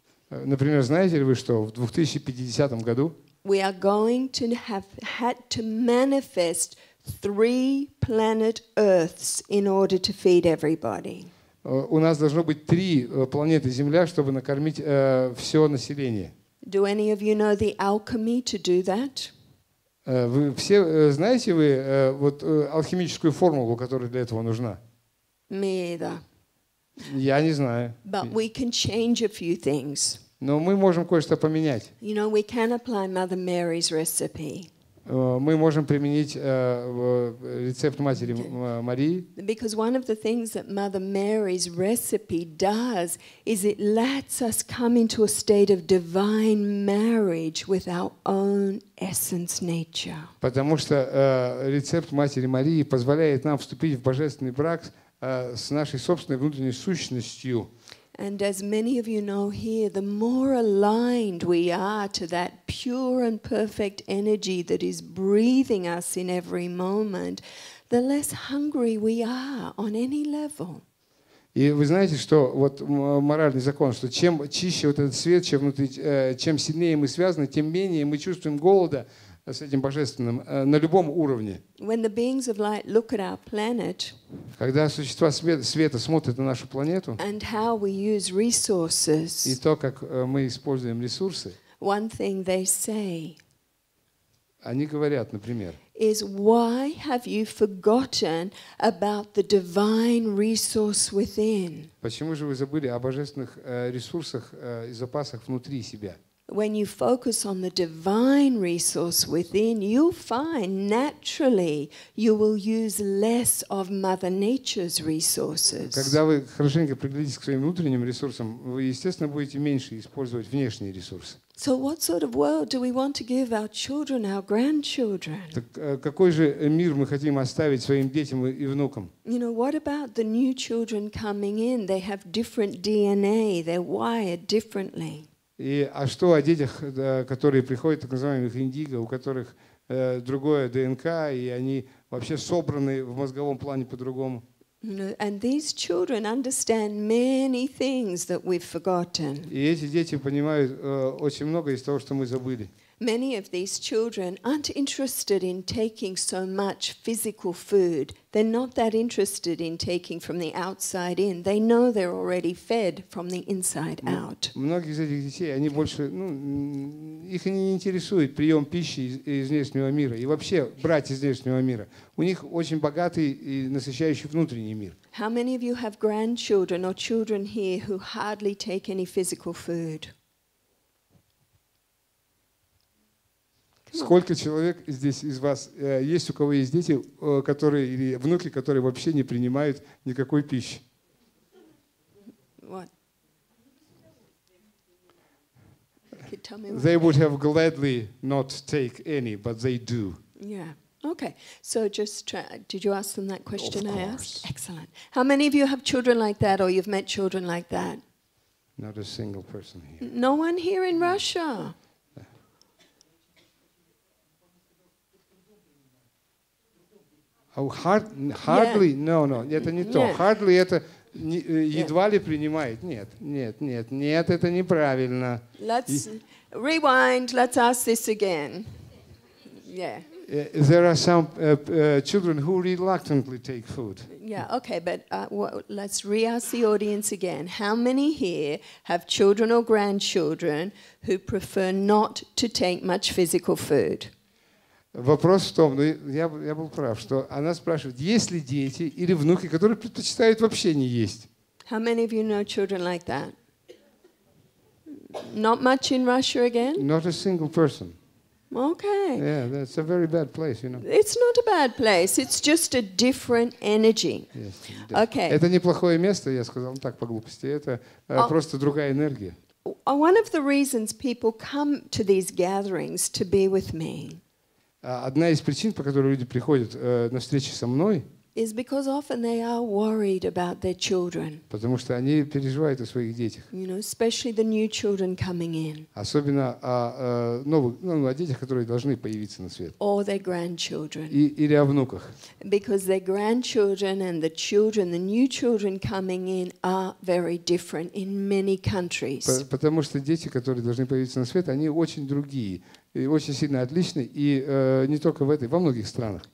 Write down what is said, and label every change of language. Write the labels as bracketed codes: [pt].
[ru] Например, знаете ли вы, что в 2050 году [en] we are going to have had to manifest three planet Earths in order to feed everybody. [ru] У нас должно быть три планеты Земля, чтобы накормить все население. [en] Do any of you know the alchemy to do that? [ru] Вы все знаете вы вот алхимическую формулу, которая для этого нужна? [en] Me either. [ru] Я не знаю. [en] But we can change a few things. [ru] Но мы можем кое-что поменять. [en] You know, we can apply Mother Mary's recipe. [ru] Мы можем применить рецепт матери Марии. [en] Because one of the things that Mother Mary's recipe does is it lets us come into a state of divine marriage with our own essence nature. [ru] Потому что рецепт матери Марии позволяет нам вступить в божественный брак с нашей собственной внутренней сущностью. [en] And as many of you know here, the more aligned we are to that pure and perfect energy that is breathing us in every moment, the less hungry we are on any level. [ru] И вы знаете, что вот моральный закон, что чем чище вот этот свет, чем внутри, чем сильнее мы связаны, тем менее мы чувствуем голода с этим божественным на любом уровне. [en] When the beings of light look at our planet, [ru] когда существа света смотрят на нашу планету, [en] and how we use resources, [ru] и то, как мы используем ресурсы, [en] one thing they say, [ru] они говорят, например, [en] is why have you forgotten about the divine resource within? [ru] Почему же вы забыли о божественных ресурсах и запасах внутри себя? [en] When you focus on the divine resource within, you'll find naturally you will use less of Mother Nature's resources. [ru] Когда вы хорошенько приглядитесь к своим внутренним ресурсам, вы естественно будете меньше использовать внешние ресурсы. [en] So what sort of world do we want to give our children, our grandchildren? [ru] Так какой же мир мы хотим оставить своим детям и внукам? [en] You know, what about the new children coming in? They have different DNA. They're wired differently. [ru] И, а что о детях, которые приходят, так называемых индиго, у которых другое ДНК, и они вообще собраны в мозговом плане по-другому? [en] And these children understand many things that we've forgotten. [ru] И эти дети понимают очень много из того, что мы забыли. [en] Many of these children aren't interested in taking so much physical food. They're not that interested in taking from the outside in. They know they're already fed from the inside out. [ru] Многие из этих детей, они больше, ну, их не интересует прием пищи из внешнего мира и вообще брать из внешнего мира. У них очень богатый и насыщающий внутренний мир. [en] How many of you have grandchildren or children here who hardly take any physical food? [ru] Сколько человек здесь из вас есть, у кого есть дети, которые или внуки, которые вообще не принимают никакой пищи? [en] What? They would have gladly not take any, but they do. Yeah. Okay. So just did you ask them that question I asked? Excellent. How many of you have children like that, or you've met children like that? Not a single person here. No one here in Russia. Hardly, yeah. No, [ru] это не то. Hardly это едва ли принимает. Нет, это неправильно. [en] Rewind, let's ask this again. Yeah. There are some children who reluctantly take food. Yeah, okay, but let's re-ask the audience again. How many here have children or grandchildren who prefer not to take much physical food? [ru] Вопрос в том, я был прав, что она спрашивает, есть ли дети или внуки, которые предпочитают вообще не есть. [en] How many of you know children like that? Not much in Russia again? Not a single person. Okay. Yeah, that's a very bad place, you know. It's not a bad place, it's just a different energy. Yes. Okay. [ru] Это неплохое место, я сказал так по глупости, это просто другая энергия. [en] One of the reasons people come to these gatherings to be with me. [ru] Одна из причин, по которой люди приходят на встречи со мной, потому что они переживают о своих детях. [en] You know, especially the new children coming in. [ru] Особенно о детях, которые должны появиться на свет. [en] Or their grandchildren. [ru] Или о внуках. [en] Because their grandchildren and the children, the new children coming in, are very different in many countries. [ru] Потому что дети, которые должны появиться на свет, они очень другие. И очень сильно отличный, и не только в этой, во многих странах.